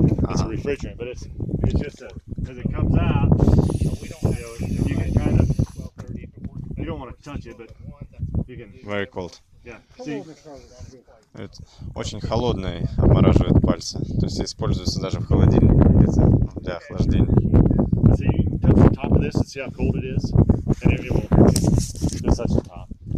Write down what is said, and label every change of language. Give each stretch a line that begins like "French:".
English: It's a refrigerant, but it's just because it comes out, you can kind of, you don't want to touch it, but you can. Very cold. Yeah. See? It's
Russian: очень холодный, обмораживает пальцы. То есть используется даже в холодильнике для охлаждения.
English: See, you can touch the top of this and see how cold it is, and it will just touch the top.